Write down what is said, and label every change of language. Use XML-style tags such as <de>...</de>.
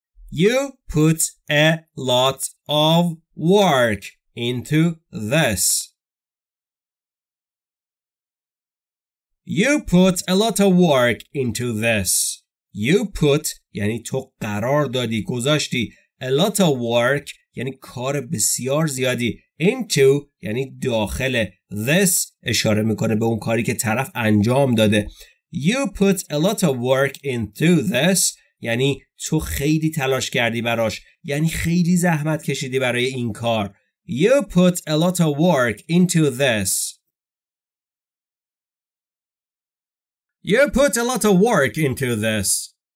<en>You put a lot of work into this. You put a lot of work into this. You put</en> <fa>یعنی تو قرار دادی، گذاشتی.</fa> <en>A lot of work</en> <fa>یعنی کار بسیار زیادی. Into یعنی داخل. This اشاره میکنه به اون کاری که طرف انجام داده.</fa> <en>You put a lot of work into this</en> <fa>یعنی تو خیلی تلاش کردی براش، یعنی خیلی زحمت کشیدی برای این کار.</fa> <en>You put a lot of work into this. You put a lot of work into this.</en>